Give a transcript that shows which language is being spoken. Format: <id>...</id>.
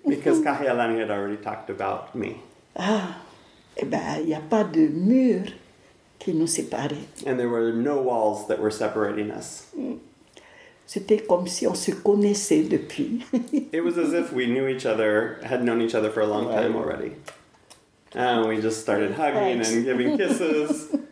<en>Because Carrie-Alanis had already talked about me.</en> <fr>Ah, et ben, il n'y a pas de mur qui nous séparait.</fr> <en>And there were no walls that were separating us.</en> <fr>C'était comme si on se connaissait depuis.</fr> <en>It was as if we knew each other, had known each other for a long time already. And we just started hugging and giving kisses.</en>